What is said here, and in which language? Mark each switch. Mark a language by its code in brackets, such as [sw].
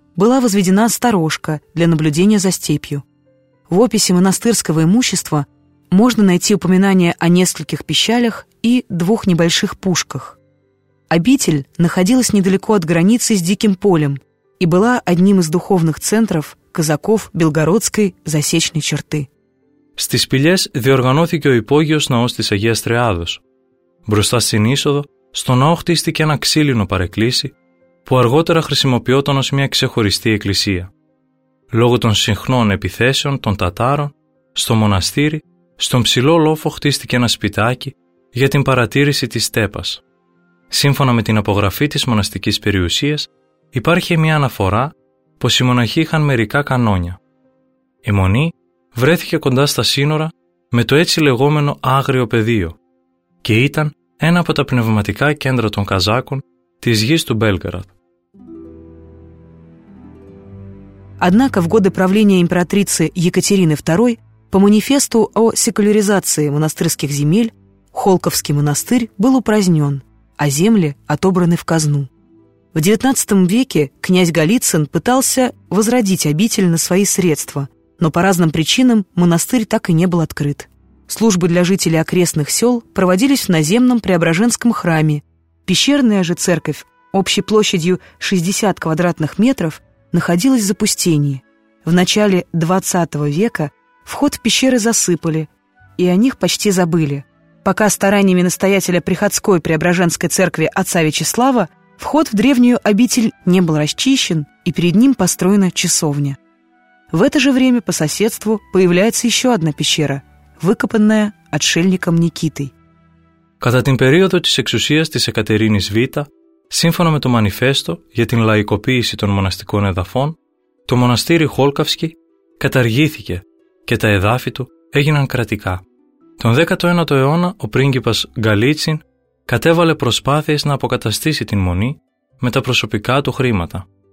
[ru] была возведена сторожка для наблюдения за степью. В описи монастырского имущества можно найти упоминание о нескольких пищалях и двух небольших пушках. Обитель находилась недалеко от границы с Диким полем и была одним из духовных центров казаков Белгородской засечной черты. [el] Στις πηλιές διοργανώθηκε ο υπόγειος ναός της Αγίας Τριάδος. Μπροστά στην είσοδο, στο ναό χτίστηκε ένα ξύλινο παρεκκλήσι, που αργότερα χρησιμοποιόταν ως μια ξεχωριστή εκκλησία. Λόγω των συχνών επιθέσεων των Τατάρων, στο μοναστήρι, στον ψηλό λόφο χτίστηκε ένα σπιτάκι για την παρατήρηση της στέπας. Σύμφωνα με την απογραφή της μοναστικής περιουσίας, υπάρχει μια αναφορά πως οι μοναχοί είχαν μερικά κανόνια. Η μονή βρέθηκε κοντά στα σύνορα με το έτσι λεγόμενο άγριο πεδίο και ήταν ένα από τα πνευματικά κέντρα των Καζάκων της γης του Μπέλγκραντ. [ru] Однако в годы правления императрицы Екатерины II по манифесту о секуляризации монастырских земель Холковский монастырь был упразднен, а земли отобраны в казну. В XIX веке князь Голицын пытался возродить обитель на свои средства, но по разным причинам монастырь так и не был открыт. Службы для жителей окрестных сел проводились в наземном Преображенском храме. Пещерная же церковь, общей площадью 60 квадратных метров, находилась в запустении. В начале XX века вход в пещеры засыпали, и о них почти забыли. Пока стараниями настоятеля приходской Преображенской церкви отца Вячеслава вход в древнюю обитель не был расчищен, и перед ним построена часовня. В это же время по соседству появляется еще одна пещера, выкопанная отшельником Никитой. [el] Κατά την περίοδο της εξουσίας της Εκατερίνης Β, σύμφωνα με το Μανιφέστο για την λαϊκοποίηση των μοναστικών εδαφών, το μοναστήρι Χόλκαυσκι καταργήθηκε και τα εδάφη του έγιναν κρατικά. Τον 19ο αιώνα ο πρίγκιπας Γκαλίτσιν κατέβαλε προσπάθειες να αποκαταστήσει την μονή με τα προσωπικά του χρήματα.